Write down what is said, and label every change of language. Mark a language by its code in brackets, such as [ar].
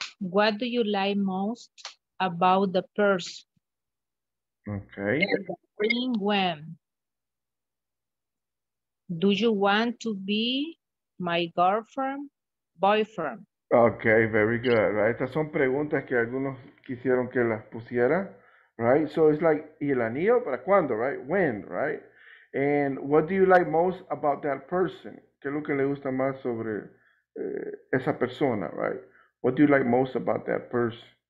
[en] What do you like most about the purse? Okay. And when? Do you want to be my girlfriend, boyfriend? Okay, very good. Right? [es] Estas son preguntas que algunos quisieron que las pusiera. [en] right? So it's like, [es] ¿y el anillo para cuándo, [en] right? When, right? And what do you like most about that person? [es] ¿Qué es lo que le gusta más sobre esa persona, right? [en] What do you like most about that person?